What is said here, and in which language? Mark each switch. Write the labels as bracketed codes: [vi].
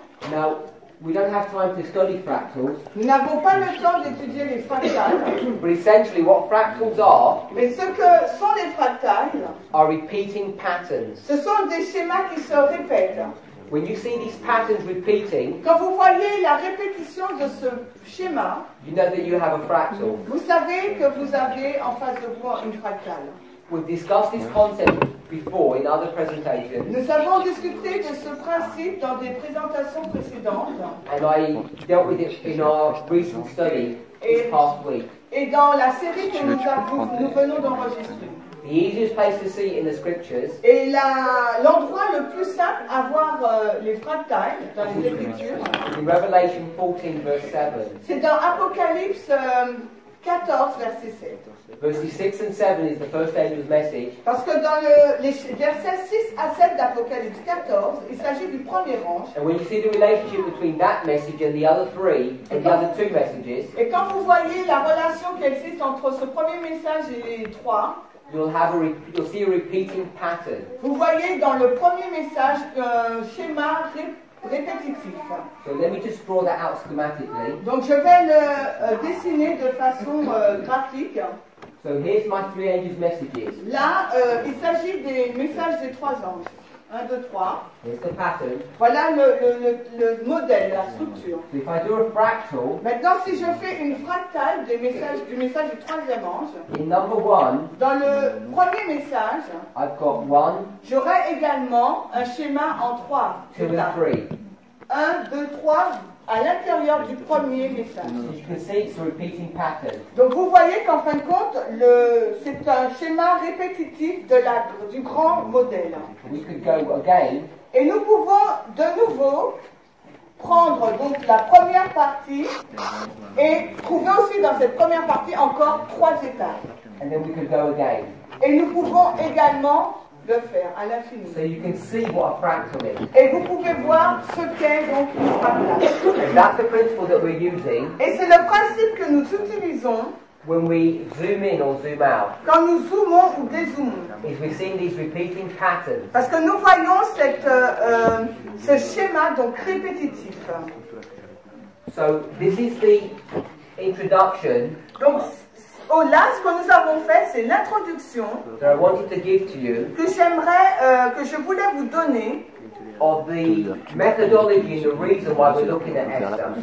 [en] Now, we don't have time to study fractals. [fr] Nous n'avons pas le temps d'étudier les fractales. [en] But essentially, what fractals are? [fr] Mais ce que sont les fractales? [en] Are repeating patterns. [fr] Ce sont des schémas qui se répètent. [en] When you see these patterns repeating, [fr] quand vous voyez la répétition de ce schéma, [en] you know that you have a fractal. [fr] Vous savez que vous avez en face de vous une fractale. [en] We've discussed this concept before in other presentations. [fr] Nous avons discuté de ce principe dans des présentations précédentes. [en] And I dealt with it in our recent study this past week. [fr] Et dans la série que nous venons d'enregistrer. [en] The easiest place to see in the scriptures. [fr] Et l'endroit le plus simple à voir les fractales dans les écritures. [en] In Revelation 14, verse 7. [fr] C'est dans Apocalypse 14, verset 7. [en] Verses 6 and 7 is the first angel's message. [fr] Parce que dans les versets 6 à 7 d'Apocalypse 14, il s'agit du premier ange. [en] And when you see the relationship between that message and the other three, the other two messages. [fr] Et quand vous voyez la relation qui existe entre ce premier message et les trois. [en] You'll see a repeating pattern. [fr] Vous voyez dans le premier message un schéma répétitif. [en] So let me just draw that out schematically. [fr] Donc je vais le dessiner de façon graphique. [en] So here's my three angels' messages. [fr] Là, il s'agit des messages des trois anges. [en] 1, 2, 3. Here's the pattern. [fr] Voilà le modèle, la structure. [en] So if I do a fractal. [fr] Maintenant, si je fais une fractale des messages, du message du troisième ange. [en] In number one. [fr] Dans le premier message. [en] I've got one. [fr] J'aurai également un schéma en trois. [en] Two and three. [fr] 1, 2, 3 à l'intérieur du premier message. [en] So you can see it's a repeating pattern. [fr] Donc vous voyez qu'en fin de compte, c'est un schéma répétitif de du grand modèle. [en] We could go again. [fr] Et nous pouvons de nouveau prendre donc la première partie et trouver aussi dans cette première partie encore trois étapes. [en] And then we could go again. [fr] Et nous pouvons également le faire à l'infini. [en] So you can see what a fractal is. [fr] Et vous pouvez voir ce qu'est donc une fractale. [en] And that's the principle that we're using. [fr] Et c'est le principe que nous utilisons. [en] When we zoom in or zoom out. [fr] Quand nous zoomons ou dézoomons. [en] If we see these repeating patterns. [fr] Parce que nous voyons ce schéma donc répétitif. [en] So this is the introduction. [fr] Donc là, ce que nous avons fait, c'est l'introduction. [en] That I wanted to give to you. [fr] Que je voulais vous donner. [en] Of the methodology, the reason why we're looking at Esther.